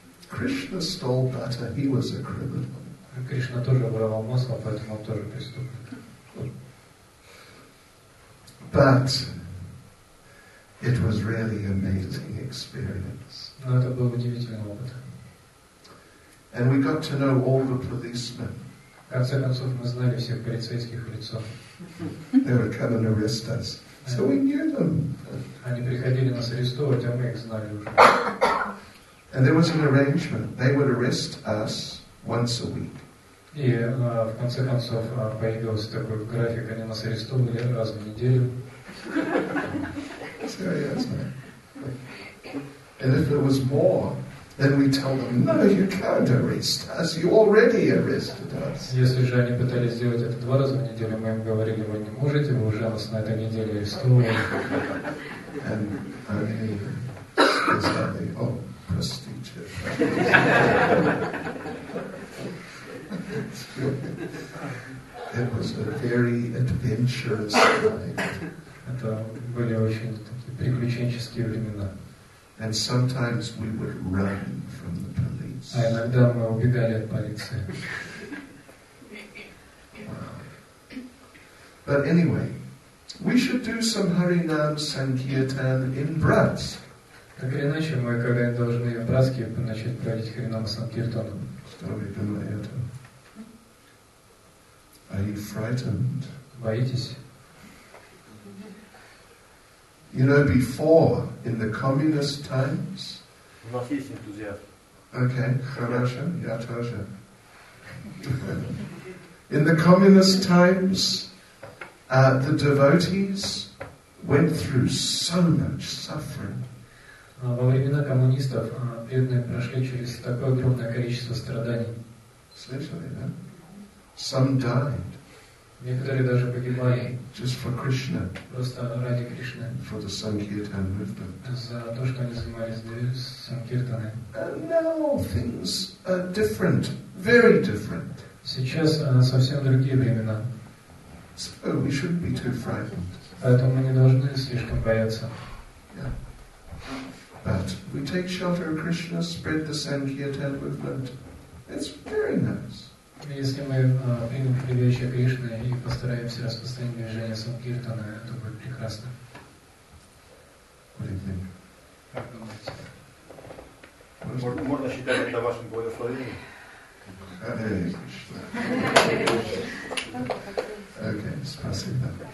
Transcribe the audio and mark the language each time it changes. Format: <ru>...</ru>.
<en>Krishna stole butter. He was a criminal.</en> <ru>Кришна тоже воровал масло, поэтому он тоже преступник.</ru> <en>But it was really an amazing experience.</en> <ru>Но это был удивительный опыт.</ru> <en>And we got to know all the policemen.</en> <ru>В конце концов мы знали всех полицейских в лицо.</ru> <en>They would come and arrest us. So we knew them.</en> <ru>Они приходили нас арестовывать, а мы их знали уже.</ru> <en>And there was an arrangement. They would arrest us once a week.</en> <ru>И в конце концов появился такой график. Они нас арестовывали раз в неделю.</ru> <en>Seriously. And if there was more, then we tell them, no, you can't arrest us. You already arrested us.</en> <ru>Если же они пытались сделать это 2 раза в неделю, мы им говорили, вы не можете, вы уже нас на этой неделе арестовали.</ru> <en>And only sadly, oh, prostitute. It was a very adventurous life.</en> <ru>Это были очень такие приключенческие времена.</ru> <en>And sometimes we would run from the police.</en> <ru>А иногда мы убегали от полиции.</ru> <en>But anyway, we should do some Harinam Sankirtan in Brats.</en> <ru>Так или иначе, мы когда-нибудь должны в Братске начать проводить Харинам Санкиртану. Что вы думаете?</ru> <en>Are you frightened?</en> <ru>Боитесь?</ru> <en>You know, before, in the communist times...</en> <ru>У нас есть энтузиазм. Okay, хорошо, я тоже.</ru> <en>In the communist times, the devotees went through so much suffering.</en> <ru>Во времена коммунистов преданные прошли через такое огромное количество страданий. Слышали, да?</ru> <en>Some died.</en> <ru>Некоторые даже погибали.</ru> <en>Just for Krishna.</en> <ru>Просто ради Кришны.</ru> <en>For the Sankirtan movement.</en> <ru>За то, что они занимались Санкиртаной.</ru> <en>And now things are different, very different.</en> <ru>Сейчас совсем другие времена.</ru> <en>So we shouldn't be too frightened.</en> <ru>Поэтому мы не должны слишком бояться.</ru> <en>Yeah. But we take shelter of Krishna, spread the Sankirtan movement. It's very nice.</en> <ru>Если мы примем прибежище Кришны и постараемся распространить движение Санкиртана, это будет прекрасно. Как думаете? Можно считать это вашим благословением? Харе Кришна. Окей, спасибо.</ru>